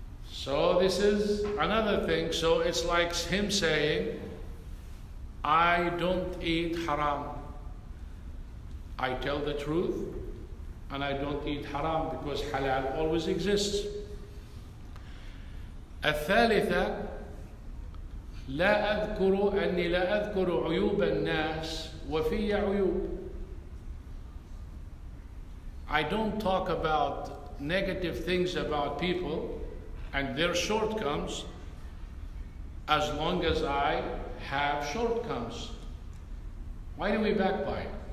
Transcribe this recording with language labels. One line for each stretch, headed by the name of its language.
English: So this is another thing. So it's like him saying, I don't eat haram. I tell the truth and I don't eat haram because halal always exists.
Arabic: الثالثة لا أذكر أني لا أذكر عيوب الناس وفي عيوب.
English: I don't talk about negative things about people and their shortcomings as long as I have shortcomings. Why do we backbite?